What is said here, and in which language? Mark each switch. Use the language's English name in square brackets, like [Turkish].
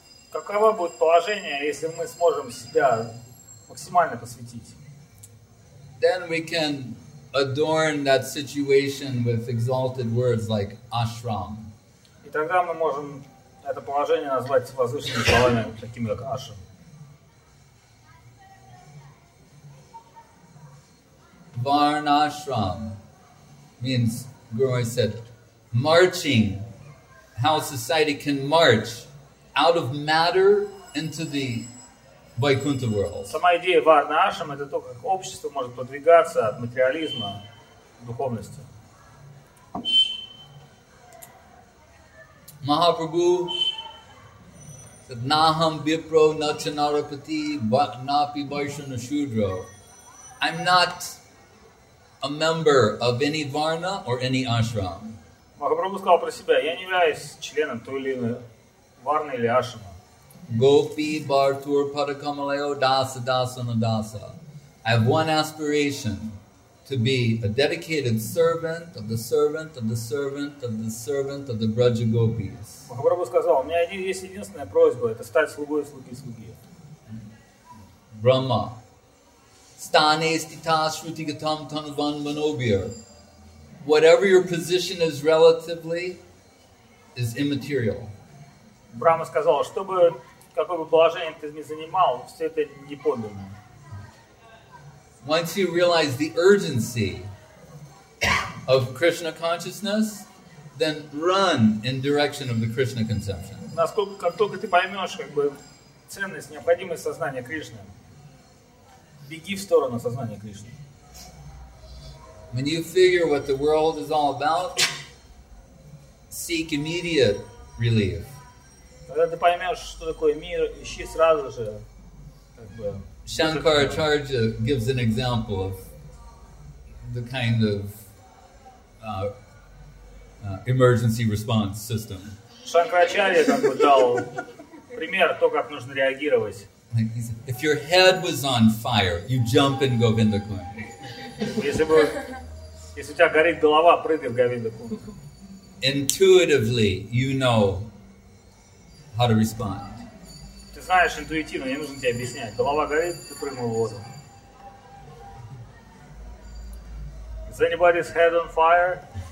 [Russian] Каково будет положение, если мы сможем себя максимально посвятить? [English] Then we can adorn that situation with exalted words like ashram. [Russian] И тогда мы можем это положение назвать возвышенными словами, такими как ашрам. [English] Varnashram means, Guru Maharaj said, marching, how society can march out of matter into the Vaikuntha world. [Russian] Сама идея Varnashram – это то, как общество может продвигаться от материализма к духовности. [Sanskrit] Mahaprabhu said, Naham Bipro Nachanarapati Bhaknapi Bhaishana Shudra. [English] I'm not a member of any varna or any ashram. [Russian] Mahaprabhu сказал про себя, я не являюсь членом той или иной варны или ашрама. [Sanskrit] Gopi Bhartur Padakamalayo Dasa Dasa Nadasa. [English] I have one aspiration, to be a dedicated servant of the servant of the servant of the servant of the Braja Gopis. [Russian] Mahaprabhu сказал, у меня есть единственная просьба, это стать слугой слуги слуги. [Sanskrit] Brahma. Stane stita shruti gatam tanuvan manobir. [English] Whatever your position is relatively, is immaterial. [Russian] Brahma сказал, чтобы какое бы положение ты ни занимал, все это не подлинно. [English] Once you realize the urgency of Krishna consciousness, then run in direction of the Krishna conception. [Russian] Насколько, как только ты поймешь, как бы, ценность, необходимость сознания Кришны, беги в сторону сознания Кришны. [English] When you figure what the world is all about, seek immediate relief. [Russian] Когда ты поймешь, что такое мир, ищи сразу же, как бы, [English] Shankaracharya gives an example of the kind of emergency response system. [Russian] Shankaracharya как бы дал пример то, как нужно реагировать. [English] If your head was on fire, you jump in Govinda Kund. [Russian] Если у тебя горит голова, прыгай в Говинда Кунд. [English] Intuitively, you know how to respond. [Russian] Знаешь интуитивно, не нужно тебе объяснять. Голова горит, ты прыгнул в воду. [English] Is anybody's head on fire?